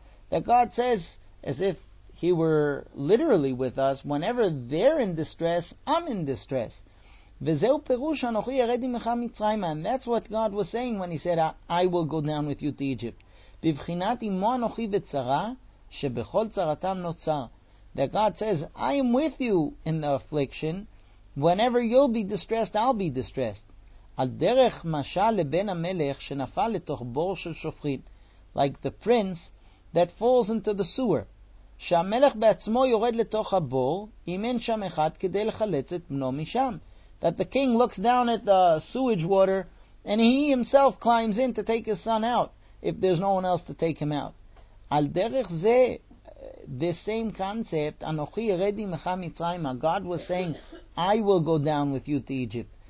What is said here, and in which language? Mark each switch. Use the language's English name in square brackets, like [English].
[English] That God says, as if he were literally with us, whenever they're in distress, I'm in distress. [Hebrew] וזהו פירוש אנוכי ירד עמך מצרימה. [English] And that's what God was saying when he said, I will go down with you to Egypt. [Hebrew] בבחינת עמו אנוכי בצרה, שבכל צרתם נוצר. [English] That God says, I am with you in the affliction. Whenever you'll be distressed, I'll be distressed. [Hebrew] על דרך משל לבן המלך שנפל לתוך בור של שופכין. [English] Like the prince that falls into the sewer. [Hebrew] שהמלך בעצמו יורד לתוך הבור, אם אין שם אחד כדי לחלץ את בנו משם. [English] That the king looks down at the sewage water and he himself climbs in to take his son out if there's no one else to take him out. Al derech ze, the same concept, [Hebrew] anochi yered imecha mitzrayim, [English] God was saying, I will go down with you to Egypt.